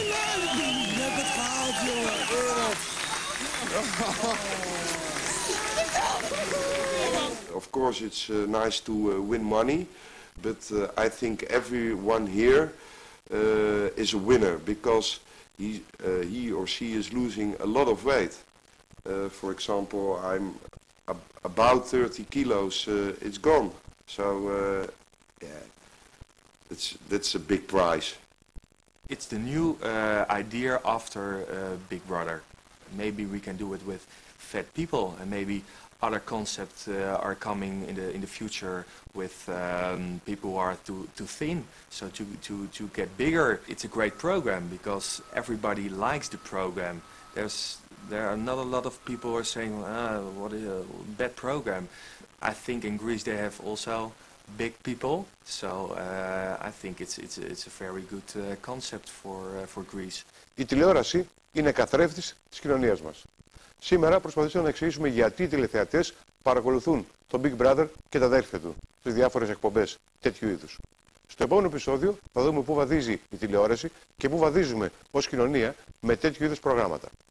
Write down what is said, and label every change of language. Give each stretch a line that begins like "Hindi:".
Dutch: Je hebt het gehaald, jongen.
English: Of course, it's nice to win money, but I think everyone here is a winner because he or she is losing a lot of weight. For example, I'm about 30 kilos. It's gone. So yeah, that's a big prize. It's the new idea after Big Brother. Maybe we can do it with fat people, and maybe other concepts are coming in the future with people who are too thin. So to get bigger, it's a great program because everybody likes the program. There are not a lot of people who are saying, what a bad program. I think in Greece they have also big people, so I think it's a very good concept for Greece.
Greek: Η τηλεόραση είναι καθρέφτης της κοινωνίας μας. Σήμερα προσπαθήσαμε να εξηγήσουμε γιατί οι τηλεθεατές παρακολουθούν τον Big Brother και τα αδέρφια του στις διάφορες εκπομπές τέτοιου είδους. Στο επόμενο επεισόδιο θα δούμε πού βαδίζει η τηλεόραση και πού βαδίζουμε ως κοινωνία με τέτοιου είδους προγράμματα.